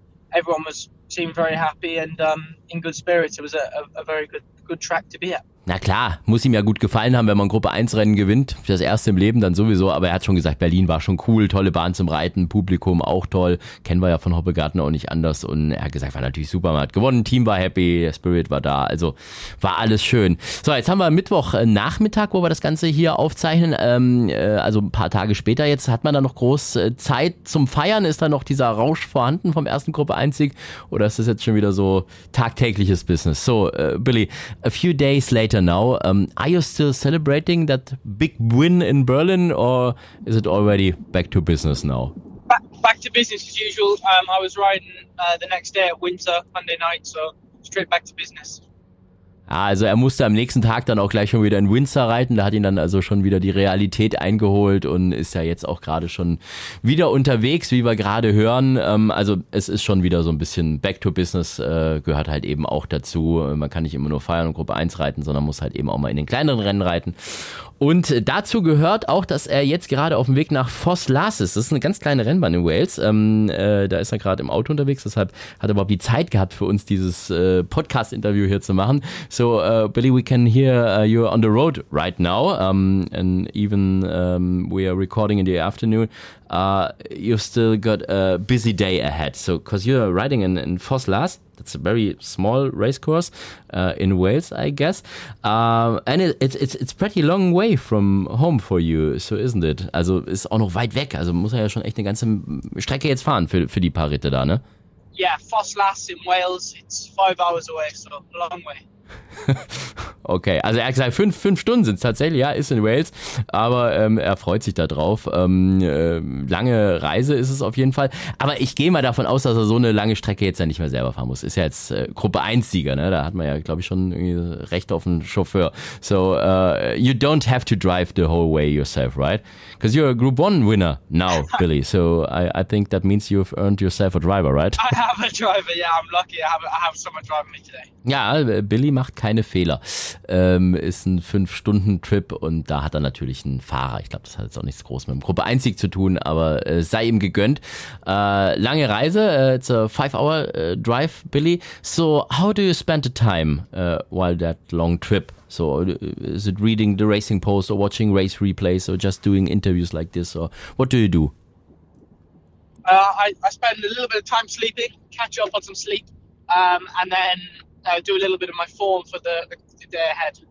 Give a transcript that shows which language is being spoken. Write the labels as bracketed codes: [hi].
[en] Everyone seemed very happy and in good spirits. It was a very good track to be at. [de] Na klar, muss ihm ja gut gefallen haben, wenn man Gruppe 1 Rennen gewinnt. Das erste im Leben dann sowieso, aber er hat schon gesagt, Berlin war schon cool, tolle Bahn zum Reiten, Publikum auch toll. Kennen wir ja von Hoppegarten auch nicht anders. Und er hat gesagt, war natürlich super, man hat gewonnen, Team war happy, Spirit war da, also war alles schön. So, jetzt haben wir Mittwochnachmittag, wo wir das Ganze hier aufzeichnen. Also ein paar Tage später jetzt, hat man da noch groß Zeit zum Feiern? Ist da noch dieser Rausch vorhanden vom ersten Gruppe 1 Sieg? Oder ist das jetzt schon wieder so tagtägliches Business? [en] So, Billy, a few days later, later now. Are you still celebrating that big win in Berlin, or is it already back to business now? Back to business as usual. I was riding the next day at Winter, Monday night, so straight back to business. [de] Also er musste am nächsten Tag dann auch gleich schon wieder in Windsor reiten, da hat ihn dann also schon wieder die Realität eingeholt und ist ja jetzt auch gerade schon wieder unterwegs, wie wir gerade hören. Also es ist schon wieder so ein bisschen [en] back to business, [de] gehört halt eben auch dazu. Man kann nicht immer nur feiern und Gruppe 1 reiten, sondern muss halt eben auch mal in den kleineren Rennen reiten. Und dazu gehört auch, dass er jetzt gerade auf dem Weg nach Fos Las ist. Das ist eine ganz kleine Rennbahn in Wales. Da ist er gerade im Auto unterwegs, deshalb hat er überhaupt die Zeit gehabt für uns, dieses Podcast-Interview hier zu machen. [en] So, Billy, we can hear you're on the road right now, and even we are recording in the afternoon. You've still got a busy day ahead. So, because you're riding in Fos Las, that's a very small race course in Wales, I guess. And it's pretty long way from home for you, so isn't it? [de] Also, ist auch noch weit weg. Also, muss er ja schon echt eine ganze Strecke jetzt fahren für die paar Ritte da, ne? [en] Yeah, Fos Las in Wales, it's 5 hours away, so a long way. [de] Okay, also er hat gesagt, fünf Stunden sind es tatsächlich, ja, ist in Wales, aber er freut sich da drauf. Lange Reise ist es auf jeden Fall, aber ich gehe mal davon aus, dass er so eine lange Strecke jetzt ja nicht mehr selber fahren muss. Ist ja jetzt Gruppe 1 Sieger, ne? Da hat man ja, glaube ich, schon irgendwie Recht auf einen Chauffeur. [en] So, you don't have to drive the whole way yourself, right? Because you're a Group 1 winner now, Billy, so I think that means you've earned yourself a driver, right? I have a driver, yeah, I'm lucky, I have someone driving me today. [de] Ja, Billy macht keine Fehler. Ist ein 5-Stunden-Trip und da hat er natürlich einen Fahrer. Ich glaube, das hat jetzt auch nichts groß mit dem Gruppe 1-Sieg zu tun, aber sei ihm gegönnt. Lange Reise, [en] it's a 5-hour drive, Billy. So, how do you spend the time while that long trip? So, is it reading the racing post or watching race replays or just doing interviews like this? Or what do you do? I spend a little bit of time sleeping, catch up on some sleep, and then do a little bit of my form for the day ahead.